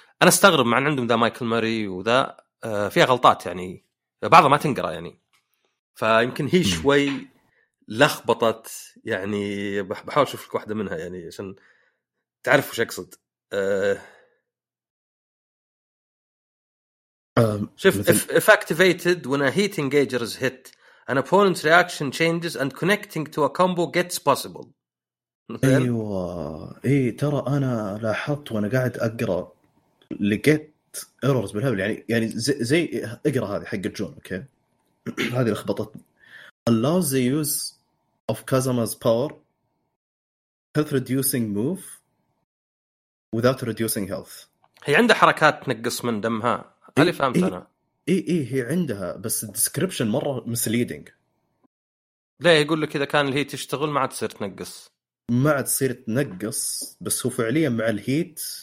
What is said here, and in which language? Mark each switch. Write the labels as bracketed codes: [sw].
[ar] أنا استغرب مع أن عندهم ذا مايكل ماري وذا فيها غلطات يعني بعضها ما تنقرأ يعني، فيمكن هي شوي لخبطت يعني. بحاول أشوف لك واحدة منها يعني عشان تعرف وش أقصد. شوف [en] if activated when a heat engager is hit an opponent's reaction changes and connecting to a combo gets possible. [ar] ايوه اي ترى انا لاحظت وانا قاعد اقرا لقيت ايرورز بالهبل يعني زي اقرا هذه حق جون اوكي. هذه لخبطتني. [en] allows the use of Kazama's power health reducing move without reducing health. [ar] هي عندها حركات تنقص من دمها، هل فهمت انا؟ إيه إيه هي عندها بس الديسكريبشن مرة مسليدينج. لا يقول لك إذا كان الهيت يشتغل ما عاد تصير تنقص. ما عاد تصير تنقص بس هو فعليا مع الهيت.